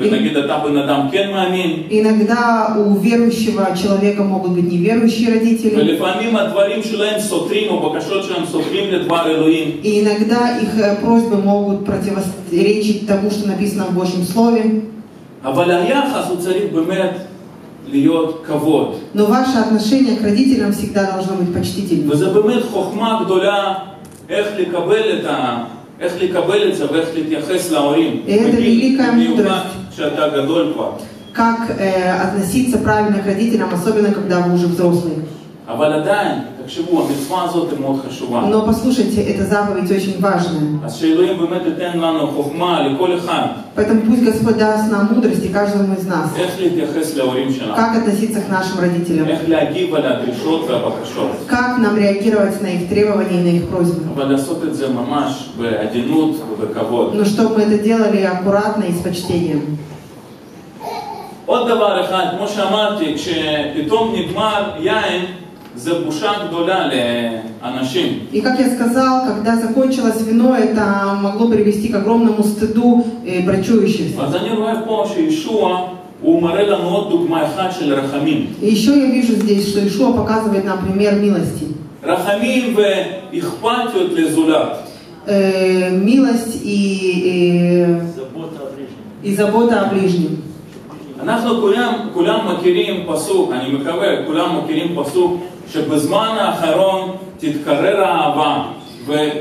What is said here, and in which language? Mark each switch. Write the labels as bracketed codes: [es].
[ru] Иногда у верующего человека могут быть неверующие родители. И иногда их просьбы могут противоречить тому, что написано в Божьем Слове. [he] אבל היחס הוא צריך באמת להיות כבוד. [ru] Но ваше отношение к родителям всегда должно быть почтительным. [he] וזה באמת חוכמה גדולה איך לקבל את איך לקבל את זה ואיך להתייחס להורים. [ru] Это великая мудрость. [he] שאתה גדול פה. [ru] Как относиться правильно к родителям, особенно когда вы уже взрослый. [he] אבל עדיין, תקשיבו, המצווה הזאת היא מאוד חשובה. [ru] Но послушайте, эта заповедь очень важная. [he] אז שאלוהים באמת ייתן לנו חוכמה לכל אחד. [ru] Поэтому пусть Господь даст нам мудрость и каждому из нас. [he] איך להתייחס להורים שלנו. [ru] Как относиться к нашим родителям. [he] איך להגיב על הדרישות והבקשות. [ru] Как нам реагировать на их требования и на их просьбы. [he] אבל לעשות את זה ממש בעדינות ובכבוד. [ru] Но чтобы это делали аккуратно и с почтением. [he] עוד דבר אחד, כמו שאמרתי, כשפתאום נגמר יין, זה בושה גדולה לאנשים. [ru] И как я сказал, когда закончилось вино, это могло привести к огромному стыду брачующихся. [he] אז אני רואה פה שישועה, הוא מראה לנו עוד דוגמה אחת של רחמים. [ru] Еще я вижу здесь, что Иешуа показывает нам пример милости. [he] רחמים ואכפתיות לזולת. [ru] Милость и забота о ближнем. [he] אנחנו כולם מכירים פסוק, אני מקווה, כולם מכירים פסוק, שבזמן האחרון תתקרר האהבה ו...